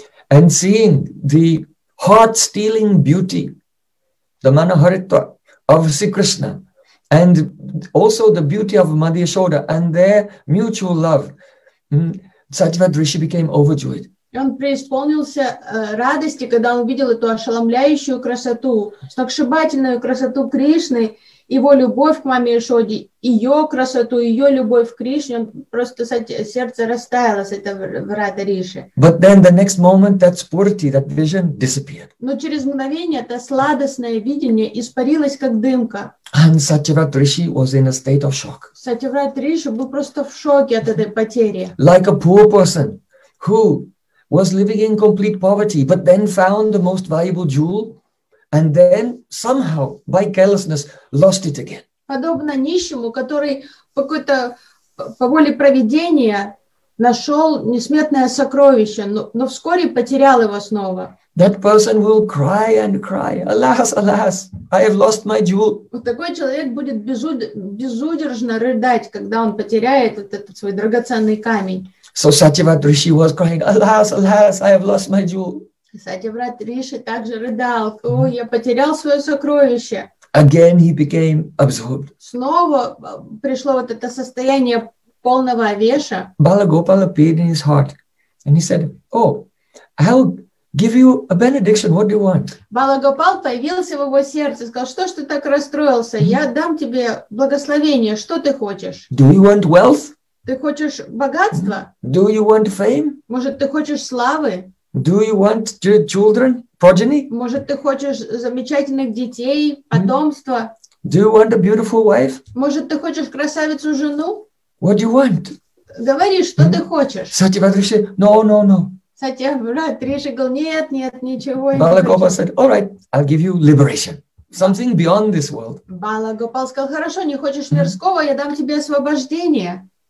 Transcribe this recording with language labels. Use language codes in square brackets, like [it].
[en] And seeing the heart-stealing beauty, the manoharitva of Sri Krishna, and also the beauty of Madhya Ishoda and their mutual love, Satyavat Rishi became overjoyed. [ru] Он преисполнился радости, когда он увидел эту ошеломляющую красоту, сногсшибательную красоту Кришны, его любовь к маме Ишоде, ее красоту, ее любовь к Кришне. Он просто сердце растаяло с этого рада Риши. [en] But then the next moment that spurti, that vision disappeared. [ru] Но через мгновение это сладостное видение испарилось как дымка. [en] And Satyavat Rishi was in a state of shock. [ru] Satyavat Rishi был просто в шоке от этой потери. [en] Like a poor person who was living in complete poverty, but then found the most valuable jewel, and then somehow, by carelessness, lost it again. [ru] Подобно нищему, который по какой-то по воле провидения нашел несметное сокровище, но вскоре потерял его снова. [en] That person will cry and cry. Alas, alas, I have lost my jewel. [ru] Вот такой человек будет безудержно рыдать, когда он потеряет этот свой драгоценный камень. [en] So Satyavrata Rishi was crying, alas, alas, I have lost my jewel. [ru] Satyavrata Rishi также рыдал, ой, я потерял свое сокровище. [en] Again he became absorbed. [ru] Снова пришло вот это состояние полного овеша. [en] Balagopala appeared in his heart, and he said, "Oh, I'll give you a benediction. What do you want?" [ru] Balagopal появился в его сердце, сказал, что ж ты так расстроился? Я дам тебе благословение. Что ты хочешь? [en] Do you want wealth? [ru] Ты хочешь богатство? [en] Do you want fame? [ru] Может, ты хочешь славы? [en] Do you want children, progeny? [ru] Может, ты хочешь замечательных детей, потомство? [en] Do you want a beautiful wife? [ru] Может, ты хочешь красавицу жену? [en] What do you want? [ru] Говори, что ты хочешь. [en] Satyavrata Rishi, no. [ru] Satyavrata Rishi говорил, нет, ничего. [en] Balagopa said, all right, I'll give you liberation. Something beyond this world. [ru] Balagopal сказал, хорошо, не хочешь мирского, я дам тебе освобождение.